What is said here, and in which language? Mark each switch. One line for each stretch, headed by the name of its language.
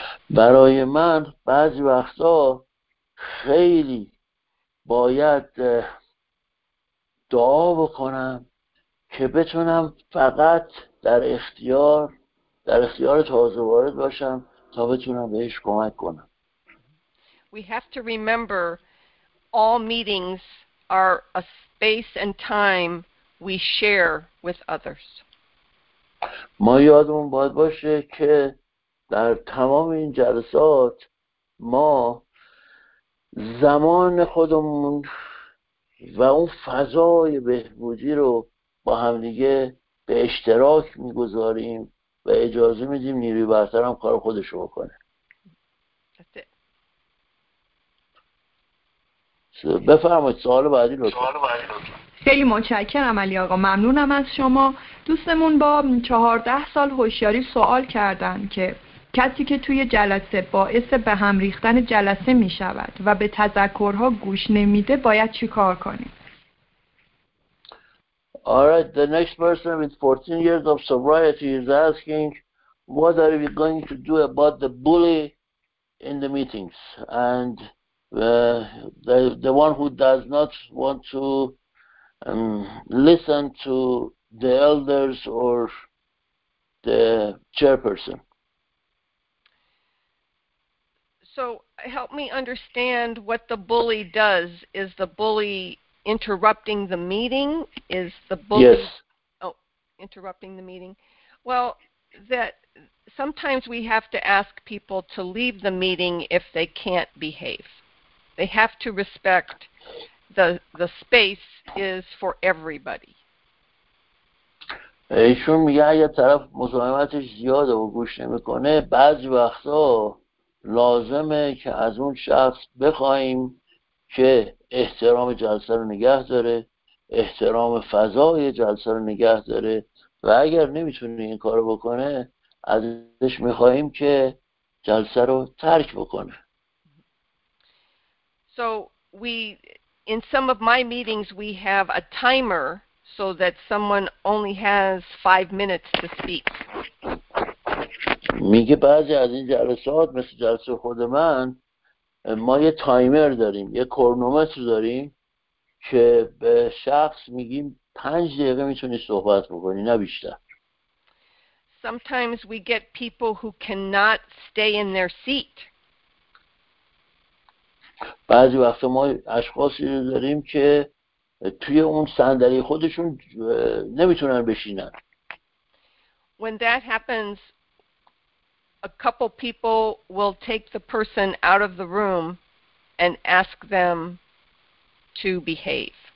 Persian: برای من بعضی وقتا خیلی باید دعا بکنم که بتونم فقط در اختیار تازه وارد باشم تا بتونم بهش کمک کنم.
English: We have to remember all meetings are a space and time we share with others.
Persian: ما یادمون باید باشه که در تمام این جلسات ما زمان خودمون و اون فضای بهبودی رو با همدیگه به اشتراک میگذاریم و اجازه میدیم نیروی برتر هم کار خودش رو بکنه. بفرمایید سوال بعدی لطفا. خیلی متشکرم علی آقا، ممنونم از شما. دوستمون با 14 سال هوشیاری سوال کردن که کسی که توی جلسه باعث به هم ریختن جلسه می شود و به تذکرها گوش نمیده باید چی کار کنیم؟
English: Alright, the next person with 14 years of sobriety is asking, what are we going to do about the bully in the meetings? And the one who does not want to listen to the elders or the chairperson. So help me understand what the bully does. Is the bully interrupting the meeting? Is the bully... Yes. Oh, interrupting the meeting. Well, that sometimes we have to ask people to leave the meeting if they can't behave. They have to respect the space is for everybody.
Persian: ایشون میگه اگر طرف مزاحمتش زیاده و گوش نمیکنه، بعضی وقتا لازمه که از اون شخص بخوایم که احترام جلسه رو نگه داره، احترام فضای جلسه رو نگه داره، و اگر نمیتونه این کارو بکنه ازش میخوایم که جلسه رو ترک بکنه.
English: So we in some of my meetings we have a timer so that someone only has 5 minutes to speak.
Persian: میگه بعضی از این جلسات مثل جلسه خود من ما یه تایمر داریم، یه کرونومتر داریم که به شخص میگیم 5 دقیقه میتونی صحبت بکنی نه بیشتر.
English: Sometimes we get people who cannot stay in their seat.
Persian: بعضی وقتا ما اشخاصی رو داریم که توی اون صندلی خودشون نمیتونن بشینن.
English: When that happens, a couple people will take the person out of the room and ask them to behave.